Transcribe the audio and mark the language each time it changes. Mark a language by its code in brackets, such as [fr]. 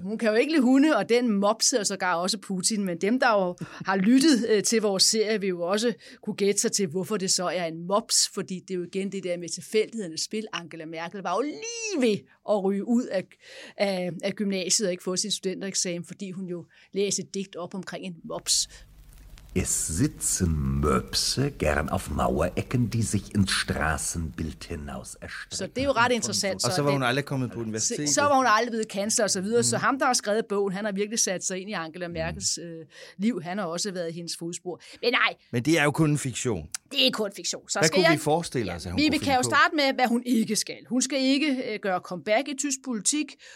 [da] Hun kan jo ikke lide hunde, og den mopsede sågar også Putin, men dem, der jo har lyttet til vores serie, vil jo også kunne gætte sig til, hvorfor det så er en mops, fordi det er jo igen det der med tilfældighedernes spil. Angela Merkel var jo lige ved at ryge ud af gymnasiet og ikke få sin studentereksamen, fordi hun jo læste et digt op omkring en mops. [de] Es sitzen Möpse gern auf Mauerecken, die sich ins Straßenbild hinaus erstrecken. [da] Så det er jo ret interessant. Og så var hun aldrig kommet på universitetet. Så var hun aldrig blevet kansler og så videre. Mm. Så ham, der har skrevet bogen, han har virkelig sat sig ind i Angela Merkels liv. Han har også været i hendes fodspor. Men nej. Men det er jo kun en fiktion. Det er kun fiktion. Så hvad kunne vi forestille os, at hun kunne finde på? Vi kan jo starte med, hvad hun ikke skal. Hun skal ikke gøre comeback i tysk politik.